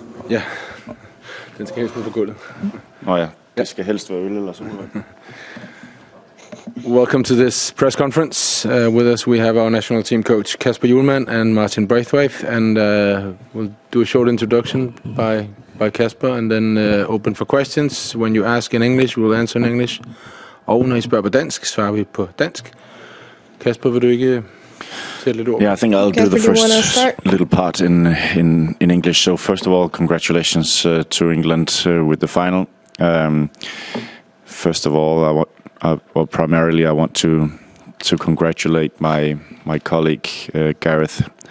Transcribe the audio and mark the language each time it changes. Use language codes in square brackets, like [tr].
[da] Ja, den skal helst ned på gulvet. Nå ja, det skal helst være øl eller sådan noget. [en] Welcome to this press conference. With us we have our national team coach Kasper Hjulmand and Martin Braithwaite, and we'll do a short introduction by Kasper, and then open for questions. When you ask in English, we'll answer in English. [da] Og når I spørger på dansk, svarer vi på dansk. Kasper, vil du ikke sætte lidt ord? [en] Yeah, I think I'll do the first little part in English. So first of all, congratulations to England with the final. First of all, I want to congratulate my colleague Gareth.